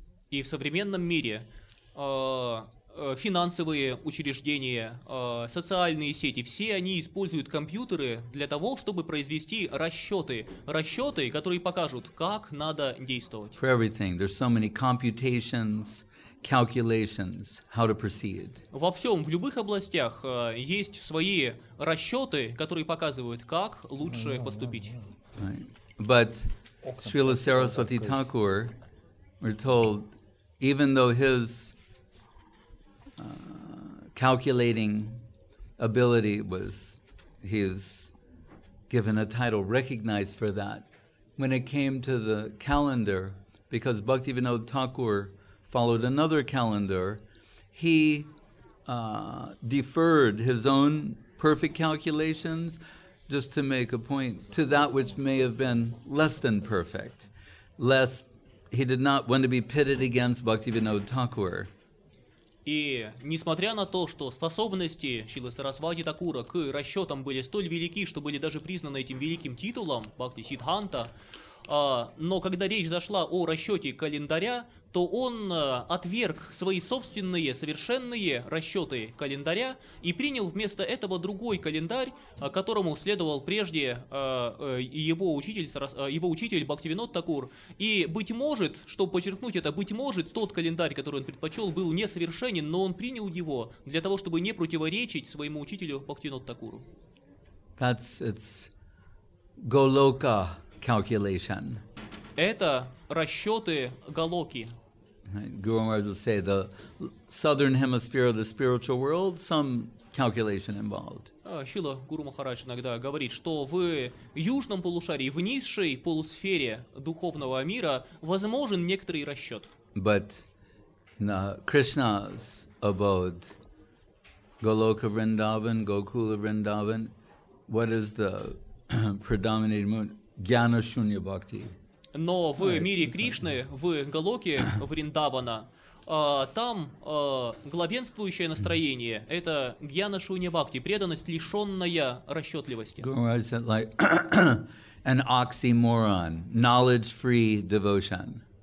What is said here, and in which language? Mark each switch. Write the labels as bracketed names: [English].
[Russian] И в современном мире финансовые учреждения, социальные сети, все они используют компьютеры для того, чтобы произвести расчеты. Расчеты, которые покажут, как надо действовать. [English] For everything. There's so many computations, calculations, how to proceed. [Russian] Во всем, в любых областях есть свои расчеты, которые показывают, как лучше поступить. [English] Right. But Srila Saraswati Thakur, we're told, even though his calculating ability was, he's given a title, recognized for that, when it came to the calendar, because Bhaktivinoda Thakur followed another calendar, he deferred his own perfect calculations just to make a point to that which may have been less than perfect. Less, he did not want to be pitted against Bhaktivinoda Thakur. [Russian] И несмотря на то, что способности Шрилы Сарасвати Такура к расчетам были столь велики, что были даже признаны этим великим титулом Бхакти Сиддханта, но когда речь зашла о расчете календаря, то он отверг свои собственные совершенные расчеты календаря и принял вместо этого другой календарь, которому следовал прежде его учитель Бхактивинода Такур. И, быть может, чтобы подчеркнуть это, быть может, тот календарь, который он предпочел, был несовершенен, но он принял его для того, чтобы не противоречить своему учителю Бхактивинода Такуру. [English] It's Голока calculation. [Russian] Это расчеты Голоки. [English] Guru Maharaj would say the southern hemisphere of the spiritual world, some calculation involved. [Russian] Шрила Гуру Махарадж иногда говорит, что в южном полушарии, в низшей полусфере духовного мира, возможен некоторый расчет. [English] But in Krishna's abode, Goloka Vrindavan, Gokula Vrindavan, what is the predominating mood? Gyana Shunya Bhakti. [Russian] Но в мире Кришны, в Голоке, в Риндавана, там главенствующее настроение – это гьяна шунья бхакти, преданность, лишенная расчетливости. [English] Guru Maharaj said, like, an oxymoron, knowledge-free devotion.